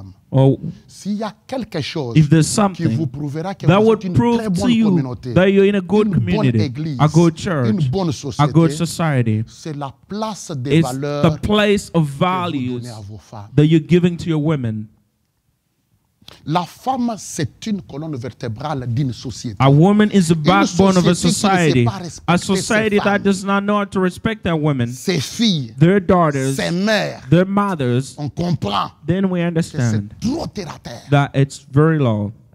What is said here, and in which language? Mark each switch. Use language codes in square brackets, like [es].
[en] Or if there's something that would prove to you that you're in a good community, a good church, a good society, it's the place of values that you're giving to your women. [fr] La femme, c'est une colonne vertébrale d'une société. [en] A woman is the backbone of a society. A society that does not know how to respect that woman. [fr] Ses filles, [en] their daughters. [fr] Ses mères, [en] their mothers. [fr] On comprend. [en] Then we understand [fr] que c'est trop terre à terre. [en] That it's very low.